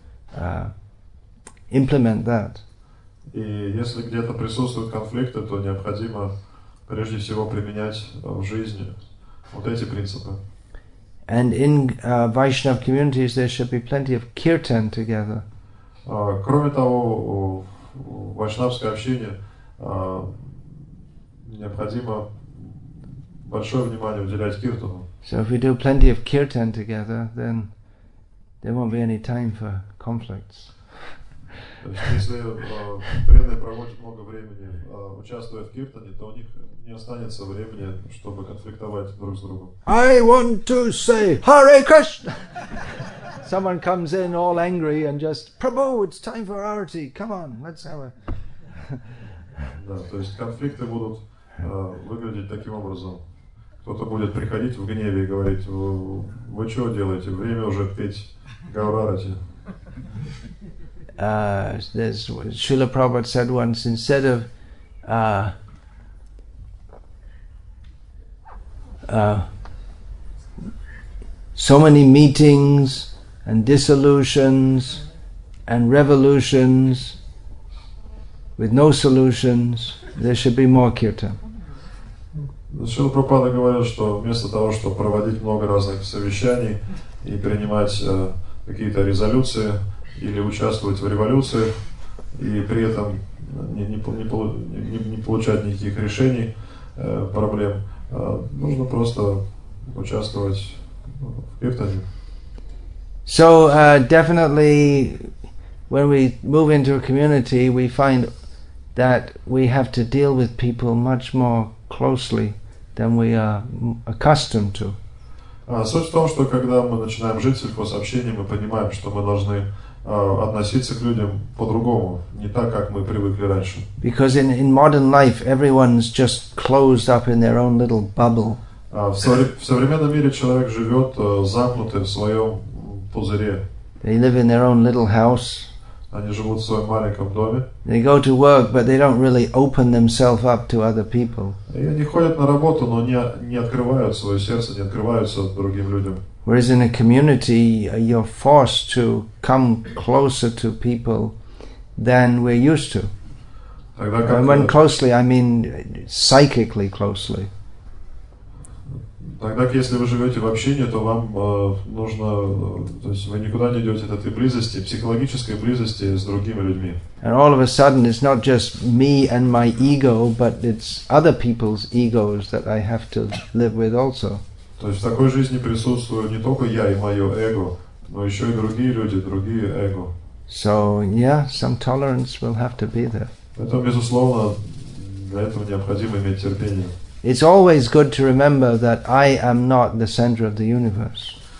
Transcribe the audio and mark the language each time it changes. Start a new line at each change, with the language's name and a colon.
English: We can try to implement that.
Russian: И если где-то присутствуют конфликты, то необходимо прежде всего применять в жизни вот эти принципы.
English: And in Vaishnav communities, there should be plenty of kirtan together.
Russian: Кроме того, в вайшнавской общине необходимо большое внимание уделять киртану.
English: So if we do plenty of kirtan together, then there won't be any time for conflicts.
Russian: Если преданные проводят много времени, участвуя в киртане, то у них не останется времени, чтобы конфликтовать друг с другом.
English: I want to say Hare Krishna! Someone comes in all angry and just, Prabhu, it's time for arati, come on, let's have a...
Russian: Да, то есть конфликты будут выглядеть таким образом. Кто-то будет приходить в гневе и говорить, вы что делаете, время уже петь гаврарати.
English: There's Srila Prabhupada said once, instead of so many meetings and dissolutions and revolutions with no solutions, there should be more kirtan.
Russian: Srila Prabhupada говорил, что вместо того, чтобы проводить много разных совещаний и принимать какие-то резолюции, или участвовать в революциях и при этом не получать никаких решений, проблем. Нужно просто участвовать в киртане.
English: So, definitely, when we move into a community, we find that we have to deal with people much more closely than we are accustomed to.
Russian: Суть в том, что когда мы начинаем жить в сельхозобщении, мы понимаем, что мы должны относиться к людям по-другому, не так, как мы привыкли раньше.
English: Because in modern life everyone's just closed up in their own little bubble.
Russian: В современном мире человек живет замкнутый в своем пузыре.
English: They live in their own little house.
Russian: Они живут в своем маленьком доме.
English: They go to work, but they don't really open themselves up to other people.
Russian: И они ходят на работу, но не открывают свое сердце, не открываются другим людям.
English: Whereas in a community, you're forced to come closer to people than we're used to. And when closely, I mean psychically closely.
Russian: Тогда, если вы живете в общине, то вам нужно, то есть вы никуда не идете от этой близости, психологической близости с другими людьми.
English: And all of a sudden, it's not just me and my ego, but it's other people's egos that I have to live with also.
Russian: То есть в такой жизни присутствую не только я и мое эго, но еще и другие люди, другие эго.
English: So, yeah, some tolerance will have to be there.
Russian: Это, безусловно, для этого необходимо иметь терпение.
English: It's always good to remember that I am not the center of the universe.